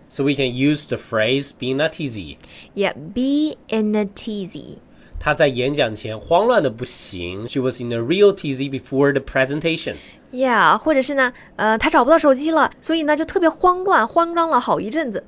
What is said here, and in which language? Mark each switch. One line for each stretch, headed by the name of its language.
English: So we can use the phrase be in a tizzy. Yeah, be in a tizzy.
Chinese: 她在演讲前慌乱的不行。
English: She was in a real tizzy before the presentation.
Chinese: Yeah, 或者是呢，她找不到手机了，所以呢就特别慌乱、慌张了好一阵子。